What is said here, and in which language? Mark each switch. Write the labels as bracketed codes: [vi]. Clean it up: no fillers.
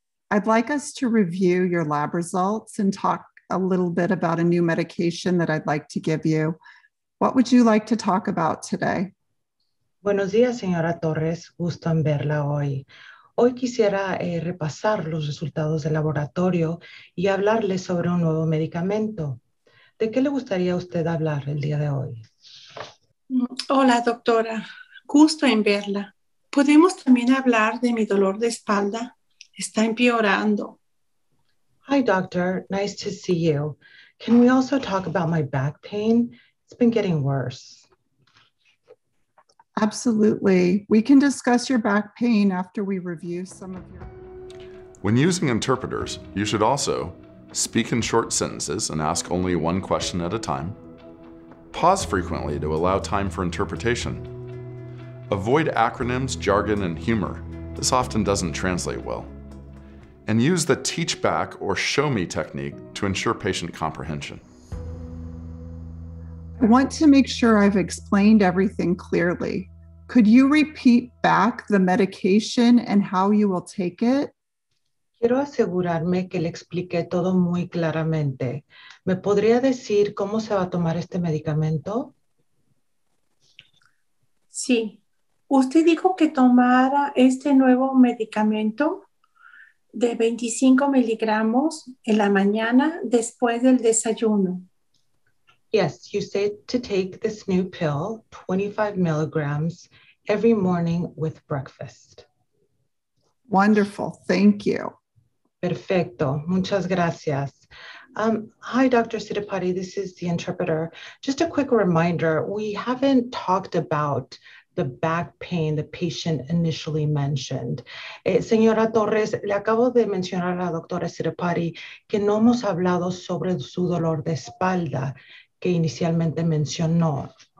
[en] I'd like us to review your lab results and talk a little bit about a new medication that I'd like to give you. What would you like to talk about today? [es] Buenos días, señora Torres. Gusto en verla hoy. Hoy quisiera repasar los resultados del laboratorio y hablarle sobre un nuevo medicamento. ¿De qué le gustaría a usted hablar el día de hoy? Hola, doctora. Gusto en verla. ¿Podemos también hablar de mi dolor de espalda? Está empeorando. [en] Hi, doctor. Nice to see you. Can we also talk about my back pain? It's been getting worse. Absolutely. We can discuss your back pain after we review some of your... When using interpreters, you should also speak in short sentences and ask only one question at a time. Pause frequently to allow time for interpretation. Avoid acronyms, jargon, and humor. This often doesn't translate well. And use the teach back or show me technique to ensure patient comprehension. I want to make sure I've explained everything clearly. Could you repeat back the medication and how you will take it? [es] Quiero asegurarme que le expliqué todo muy claramente. ¿Me podría decir cómo se va a tomar este medicamento? Sí. Usted dijo que tomara este nuevo medicamento de 25 miligramos en la mañana después del desayuno. [en] Yes, you said to take this new pill, 25 milligrams, every morning with breakfast. Wonderful, thank you. [es] Perfecto, muchas gracias. [en] Hi, Dr. Sidipati, this is the interpreter. Just a quick reminder, we haven't talked about the back pain the patient initially mentioned. [es] Señora Torres, le acabo de mencionar a la doctora Sidipati que no hemos hablado sobre su dolor de espalda que inicialmente mencionó.